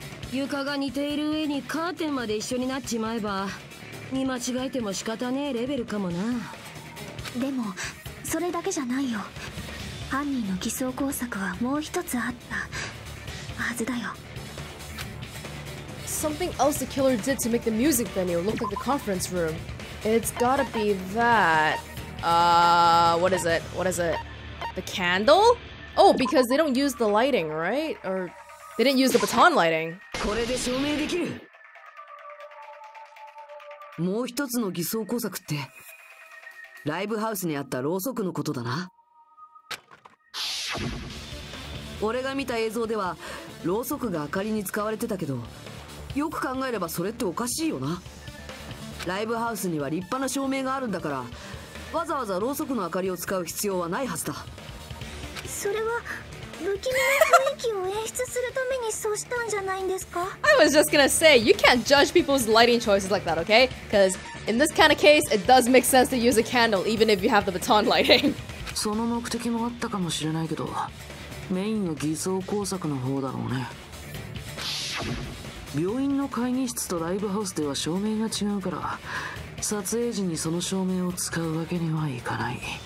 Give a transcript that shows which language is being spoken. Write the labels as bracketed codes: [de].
[ja] 床が似ている上にカーテンまで一緒になっちまえば、見間違えても仕方ねえレベルかもな。でも、それだけじゃないよ。犯人の偽装工作はもう一つあったはずだよ。 [en] Something else the killer did to make the music venue look like the conference room. It's gotta be that. What is it? The candle? Oh, because they don't use the lighting, right? Or they didn't use the baton lighting. [ja] これで証明できる。もう一つの偽装工作ってライブハウスにあったろうそくのことだな。俺が見た映像ではろうそくが明かりに使われてたけど、よく考えればそれっておかしいよな。ライブハウスには立派な照明があるんだから、わざわざろうそくの明かりを使う必要はないはずだ。それは不気味な雰囲気を演出するためにそうしたんじゃないんですか？ [en] I was just gonna say, you can't judge people's lighting choices like that, okay? Because in this kind of case, it does make sense to use a candle, even if you have the baton lighting. [ja] その目的もあったかもしれないけど、メインは偽装工作の方だろうね。病院の会議室とライブハウスでは照明が違うから、撮影時にその照明を使うわけにはいかない。